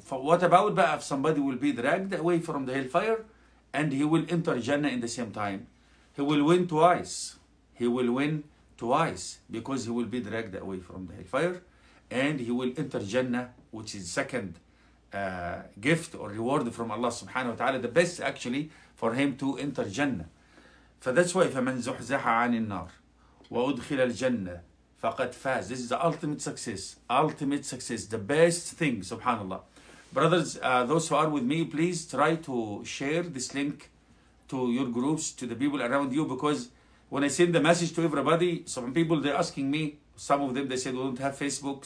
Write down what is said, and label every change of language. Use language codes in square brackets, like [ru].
[en] What about if somebody will be dragged away from the hellfire and he will enter Jannah in the same time? He will win twice. He will win twice because he will be dragged away from the hellfire and he will enter Jannah, which is second gift or reward from Allah subhanahu wa ta'ala, the best actually for him to enter Jannah. For that's why, [ar] فَمَنْ زُحْزَحَ عَنِ النَّارِ وَأُدْخِلَ الْجَنَّةِ فَقَدْ فَازْ. [en] This is the ultimate success. Ultimate success. The best thing, subhanAllah. Brothers, those who are with me, please try to share this link to your groups, to the people around you, because when I send the message to everybody, some people, they're asking me, some of them, they said, we don't have Facebook.